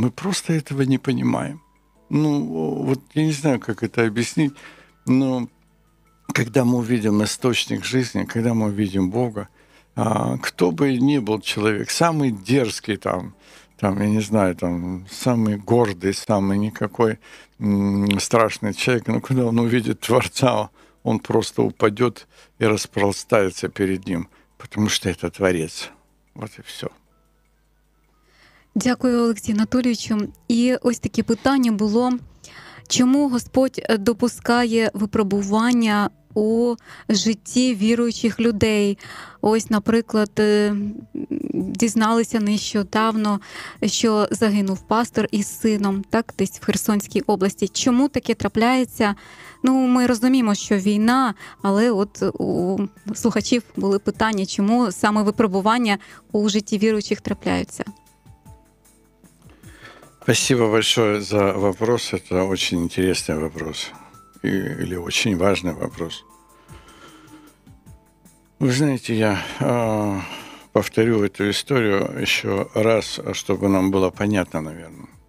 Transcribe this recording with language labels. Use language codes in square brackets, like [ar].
[ru] Мы просто этого не понимаем. Ну, вот я не знаю, как это объяснить, но когда мы увидим источник жизни, когда мы увидим Бога, кто бы ни был человек, самый дерзкий там, там, я не знаю, там, самый гордый, самый никакой страшный человек, но когда он увидит Творца, он просто упадет и распростается перед ним, потому что это Творец. Вот и все. [uk] Дякую, Олексію Анатолійовичу. І ось таке питання було, чому Господь допускає випробування у житті віруючих людей? Ось, наприклад, дізналися нещодавно, що загинув пастор із сином, так, десь в Херсонській області. Чому таке трапляється? Ну, ми розуміємо, що війна, але от у слухачів були питання, чому саме випробування у житті віруючих трапляються? [ru] Спасибо большое за вопрос. Это очень интересный вопрос. Или очень важный вопрос. Вы знаете, я повторю эту историю еще раз, чтобы нам было понятно, наверное.